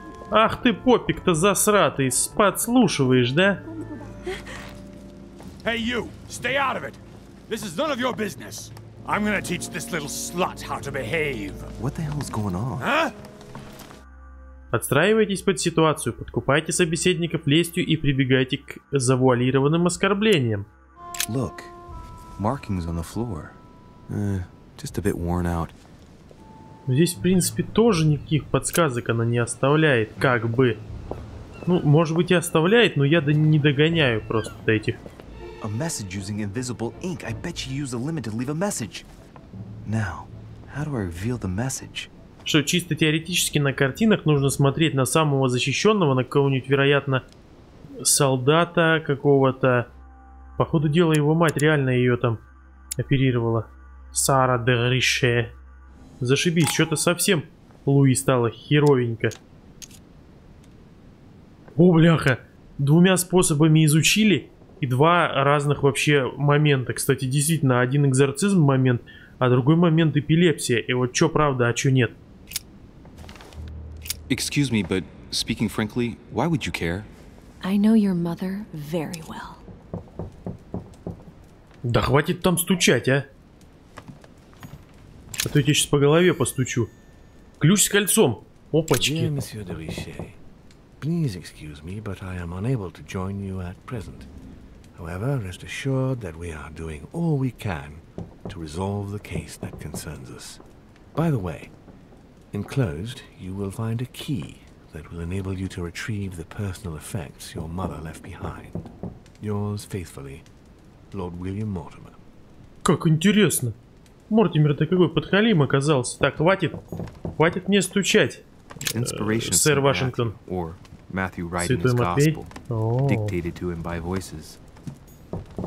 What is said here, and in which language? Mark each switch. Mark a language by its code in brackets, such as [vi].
[ru] Ах ты, попик-то засратый, подслушиваешь, да? [en] Hey you, stay out of it. This is none of your business. I'm gonna teach this little slut how to behave. What the hell is going on? Huh? [ru] Подстраивайтесь под ситуацию, подкупайте собеседников лестью и прибегайте к завуалированным оскорблениям. [en] Look, markings on the floor. Just a bit worn out. [ru] Здесь, в принципе, тоже никаких подсказок она не оставляет, как бы. Ну, может быть, и оставляет, но я не догоняю просто до этих. [en] A message using invisible ink. I bet you use a limit to leave a message. Now, how do I reveal the message? [ru] Что чисто теоретически на картинах нужно смотреть на самого защищенного, на кого-нибудь, вероятно, солдата какого-то. Походу дела его мать реально ее там оперировала. Сара де Рише. Зашибись, что-то совсем Луи стало херовенько. О, бляха, двумя способами изучили и два разных вообще момента. Кстати, действительно, один экзорцизм момент, а другой момент эпилепсия. И вот что правда, а что нет. [en] Excuse me, but speaking frankly, why would you care? I know your mother very well. [ru] Да хватит там стучать, а? А то я тебе сейчас по голове постучу. Ключ с кольцом. Опачки. [en] Dear Monsieur de Riche, please excuse me, but I am unable to join you at present. However, rest assured that we are doing all we can to resolve the case that concerns us. By the way, enclosed, you will find a key that will enable you to retrieve the personal effects your mother left behind. Yours faithfully, Lord William Mortimer. [ru] Как интересно. Мортимер-то какой подхалим оказался. Так, хватит. Хватит мне стучать. Сэр Вашингтон. Святой Матвей. Оооо.